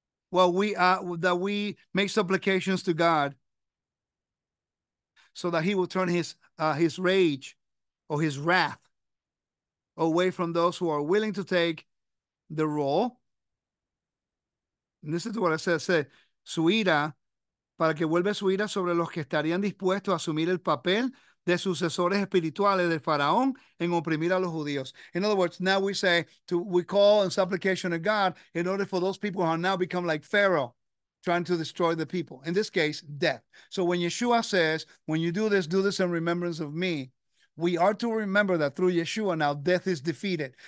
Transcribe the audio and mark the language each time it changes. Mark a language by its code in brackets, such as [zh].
[en] Well, we make supplications to God, so that he will turn his rage or his wrath away from those who are willing to take the role. And this is what I said. I said, [es] su ira, para que vuelva su ira sobre los que estarían dispuestos a asumir el papel de sucesores espirituales del faraón en oprimir a los judíos. [en] In other words, now we call in supplication to God in order for those people who are now become like Pharaoh, trying to destroy the people. In this case, death. So when Yeshua says, when you do this in remembrance of me, we are to remember that through Yeshua now death is defeated.